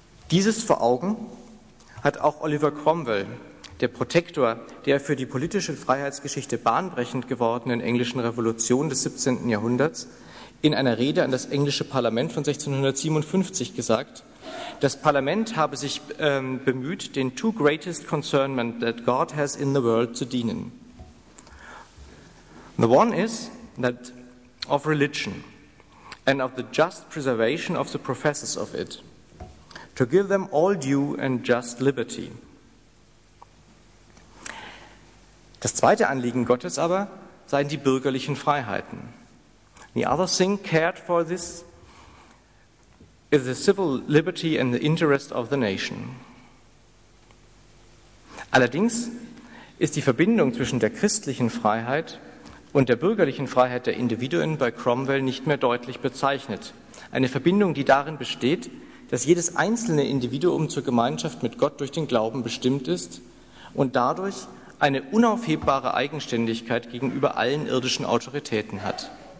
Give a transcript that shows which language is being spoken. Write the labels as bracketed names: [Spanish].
[German] Dieses vor Augen hat auch Oliver Cromwell, der Protektor der für die politische Freiheitsgeschichte bahnbrechend gewordenen englischen Revolution des 17. Jahrhunderts, in einer Rede an das englische Parlament von 1657 gesagt, das Parlament habe sich bemüht, den [English] two greatest concernment that God has in the world [German] zu dienen. [English] The one is that of religion and of the just preservation of the professors of it, to give them all due and just liberty. [German] Das zweite Anliegen Gottes aber seien die bürgerlichen Freiheiten. [English] The other thing cared for this is the civil liberty and the interest of the nation. [German] Allerdings ist die Verbindung zwischen der christlichen Freiheit und der bürgerlichen Freiheit der Individuen bei Cromwell nicht mehr deutlich bezeichnet. Eine Verbindung, die darin besteht, dass jedes einzelne Individuum zur Gemeinschaft mit Gott durch den Glauben bestimmt ist und dadurch eine unaufhebbare Eigenständigkeit gegenüber allen irdischen Autoritäten hat.